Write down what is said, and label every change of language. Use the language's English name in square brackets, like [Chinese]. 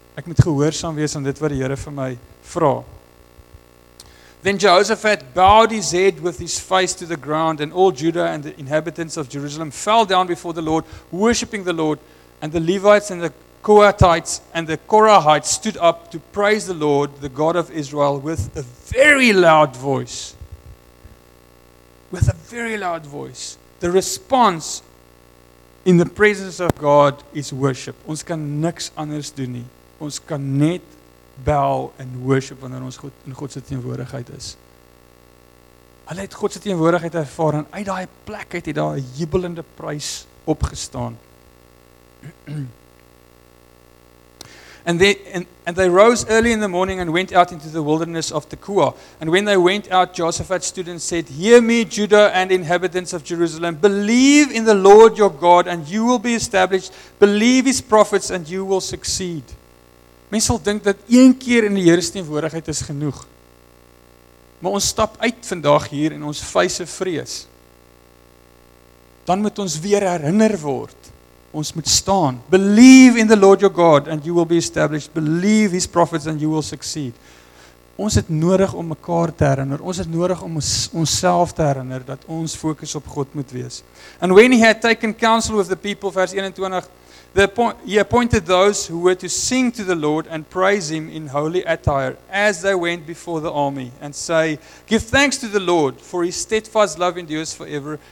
[Afrikaans] Ek moet gehoorsaam wees aan dit wat die Here vir my vra. [English] Then Jehoshaphat bowed his head with his face to the ground, and all Judah and the inhabitants of Jerusalem fell down before the Lord, worshipping the Lord. And the Levites and the Kohathites and the Korahites stood up to praise the Lord, the God of Israel, with a very loud voice. With a very loud voice. The response in the presence of God is worship. [Afrikaans] Ons kan niks anders doen nie. Ons kan net bel en worship wanneer ons God in God se teenwoordigheid is. Hulle het God se teenwoordigheid ervaar en uit daai plek uit het daar 'n jubelende prys opgestaan. [English] And they rose early in the morning and went out into the wilderness of Tekoa. And when they went out, Jehoshaphat stood and said, "Hear me, Judah and inhabitants of Jerusalem. Believe in the Lord your God and you will be established. Believe his prophets and you will succeed." [Afrikaans] Mense sal dink dat een keer in die Here se teenwoordigheid is genoeg. Maar ons stap uit vandag hier en ons vyse vrees. Dan moet ons weer herinner word. Ons moet staan. [English] Believe in the Lord your God and you will be established. Believe his prophets and you will succeed. [Afrikaans] Ons het nodig om mekaar te herinner. Ons het nodig om onsself te herinner dat ons fokus op God moet wees. [English] And when he had taken counsel with the people, verse 21, he appointed those who were to sing to the Lord and praise him in holy attire as they went before the army and say, "Give thanks to the Lord, for his steadfast love endures forever."